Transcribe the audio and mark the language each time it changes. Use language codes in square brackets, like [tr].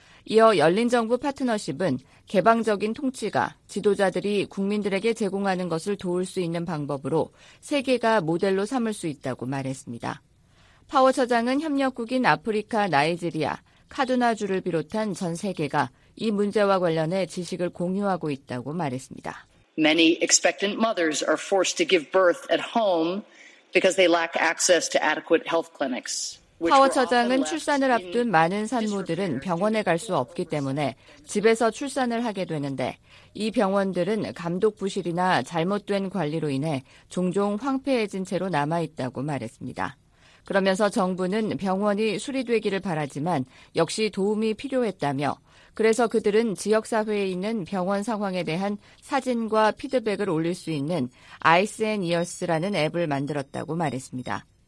[ko] 이어 열린 정부 파트너십은 개방적인 통치가 지도자들이 국민들에게 제공하는 것을 도울 수 있는 방법으로 세계가 모델로 삼을 수 있다고 말했습니다. 파워 처장은 협력국인 아프리카, 나이지리아, 카두나주를 비롯한 전 세계가 이 문제와 관련해 지식을 공유하고 있다고 말했습니다. [en] Many expectant mothers are forced to give birth at home. Because they lack access to adequate health clinics. [ko] 파워 처장은 출산을 앞둔 많은 산모들은 병원에 갈 수 없기 때문에 집에서 출산을 하게 되는데 이 병원들은 감독 부실이나 잘못된 관리로 인해 종종 황폐해진 채로 남아있다고 말했습니다. 그러면서 정부는 병원이 수리되기를 바라지만 역시 도움이 필요했다며 그래서 그들은 지역사회에 있는 병원 상황에 대한 사진과 피드백을 올릴 수 있는 Eyes and Ears라는 앱을 만들었다고 말했습니다.